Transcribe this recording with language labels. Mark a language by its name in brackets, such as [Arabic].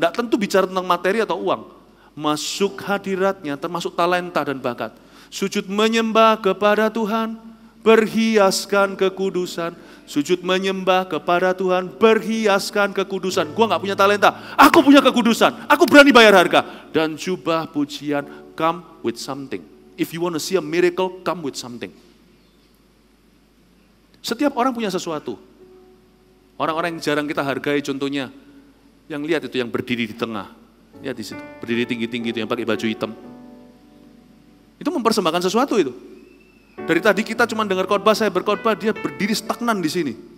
[Indonesian] Tidak tentu bicara tentang materi atau uang, masuk hadiratnya, termasuk talenta dan bakat. Sujud menyembah kepada Tuhan, berhiaskan kekudusan. Sujud menyembah kepada Tuhan, berhiaskan kekudusan. Gua enggak punya talenta, aku punya kekudusan. Aku berani bayar harga. Dan jubah pujian, [English] come with something. If you want to see a miracle, come with something. [Indonesian] Setiap orang punya sesuatu. Orang-orang yang jarang kita hargai contohnya, yang lihat itu yang berdiri di tengah. Lihat di situ, berdiri tinggi-tinggi itu yang pakai baju hitam. Itu mempersembahkan sesuatu itu. Dari tadi kita cuma dengar khotbah, saya berkhotbah, dia berdiri stagnan di sini.